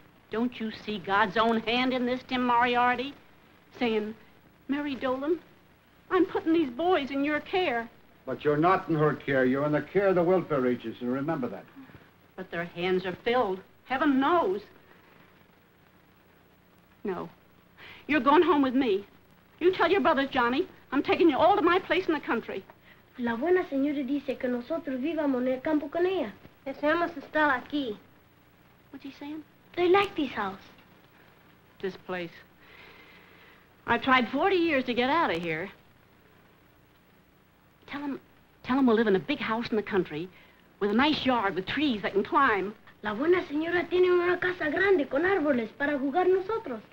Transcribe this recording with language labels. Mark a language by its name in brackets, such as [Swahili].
[English] Don't you see God's own hand in this, Tim Moriarty? Saying, Mary Dolan, I'm putting these boys in your care. But you're not in her care. You're in the care of the welfare agency. Remember that. But their hands are filled. Heaven knows. No. You're going home with me. You tell your brother, Johnny, I'm taking you all to my place in the country. [Spanish] La buena señora dice que nosotros vivamos en el campo con ella. Deseamos estar aquí. [English] What's he saying? They like this house. This place. I've tried 40 years to get out of here. Tell him we'll live in a big house in the country with a nice yard with trees that can climb. [Spanish] La buena señora tiene una casa grande con árboles para jugar nosotros.